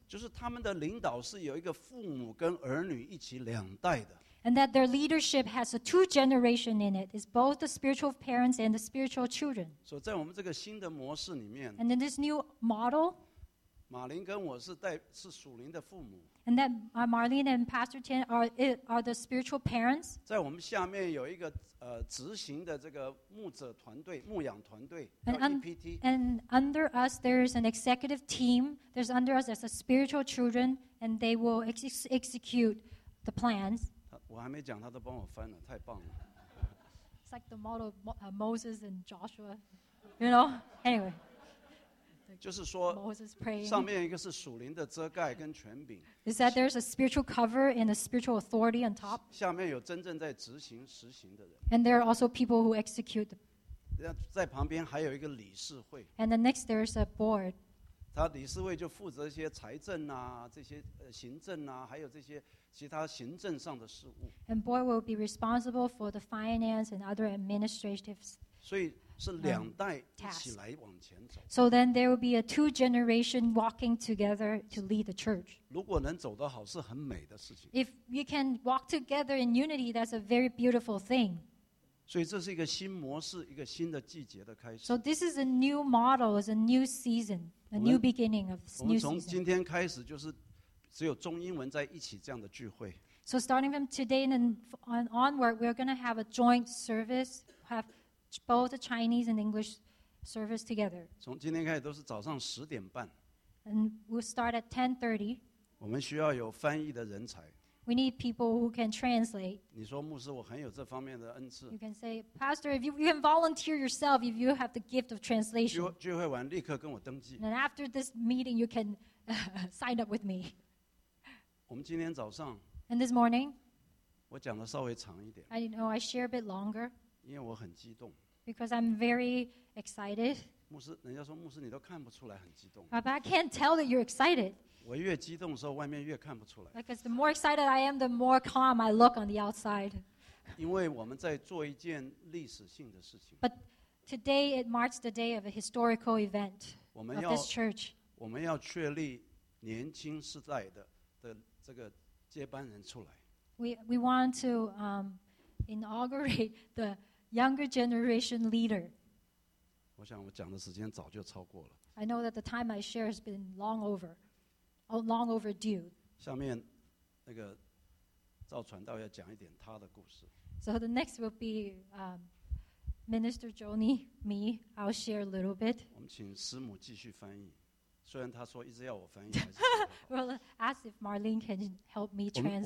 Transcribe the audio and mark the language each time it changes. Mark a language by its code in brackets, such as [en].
[zh] 就是他们的领导是有一个父母跟儿女一起两代的 [en] and that their leadership has a two generation in it, is both the spiritual parents and the spiritual children. [zh] So, 在我们这个新的模式里面 [en] and in this new model, [zh] 马林跟我是属灵的父母 [en] and that Marlene and Pastor Tian are the spiritual parents. [zh] 在我们下面有一个执行的这个牧者团队牧养团队 [en] and under us there is an executive team there's under us as a spiritual children and they will execute the plans [zh] 我还没讲他都帮我翻了太棒了 [en] it's like the model of Moses and Joshua you know anyway [zh] 就是说 [en] Moses praying [zh] 上面一个是属灵的遮盖跟权柄 [en] is that there's a spiritual cover and a spiritual authority on top [zh] 下面有真正在执行实行的人 [en] and there are also people who execute the [zh] 在旁边还有一个理事会 [en] and the next there's a board [zh] 他理事会就负责一些财政啊这些行政啊还有这些其他行政上的事务 [en] and board will be responsible for the finance and other administrative [zh] 所以是两代一起来往前走。 [en] So then there will be a two generation walking together to lead the church. [zh] 如果能走得好，是很美的事情。 [en] If we can walk together in unity, that's a very beautiful thing. [zh] 所以这是一个新模式，一个新的季节的开始。 [en] So this is a new model, it's a new season, a new beginning of new season. [zh] 我们从今天开始就是只有中英文在一起这样的聚会。 [en] So starting from today and onward, we're going to have a joint service. Have both the Chinese and English service together. [zh] 从今天开始都是早上十点半。 [en] And we'll start at 10:30. [zh] 我们需要有翻译的人才。 [en] We need people who can translate. [zh] 你说牧师，我很有这方面的恩赐。 [en] You can say, Pastor, if you can volunteer yourself, if you have the gift of translation. [zh] 聚会完立刻跟我登记。 [en] And after this meeting, you can sign up with me. [zh] 我们今天早上。 [en] And this morning. [zh] 我讲的稍微长一点。 [en] I know I share a bit longer. [zh] 因为我很激动 [en] because I'm very excited [zh] 牧师人家说牧师你都看不出来很激动 [en] but I can't tell that you're excited [zh] 我越激动的时候外面越看不出来 [en] because the more excited I am the more calm I look on the outside [zh] 因为我们在做一件历史性的事情 [en] but today it marks the day of a historical event of this church [zh] 我们要确立年轻世代的这个接班人出来 [en] we want to inaugurate the younger generation leader. [zh] 我想我讲的时间早就超过了。 [en] I know that the time I share has been long overdue. [zh] 下面那个赵传道要讲一点他的故事。 [en] So the next will be Minister Joni, me. I'll share a little bit. [zh] 我们请师母继续翻译。虽然他说一直要我翻译。 [en] Well, ask if Marlene can help me translate.